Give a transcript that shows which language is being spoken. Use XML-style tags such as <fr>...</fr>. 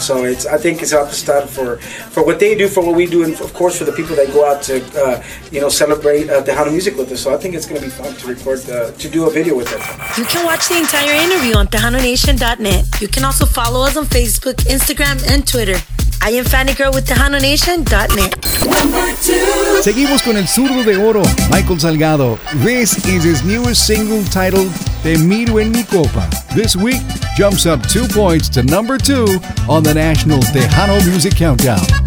<en>So I think it's out to start for what they do, for what we do, and of course for the people that go out to celebrate Tejano music with us. So I think it's going to be fun to record to do a video with it. You can watch the entire interview on TejanoNation.net. You can also follow us on Facebook, Instagram, and Twitter. I am Fanny Girl with TejanoNation.net.</en> <es>Seguimos con el zurdo de oro, Michael Salgado.</es> <en>This is his newest single titled Te Miro en Mi Copa. This week jumps up 2 points to number 2 on the National Tejano Music Countdown.</en>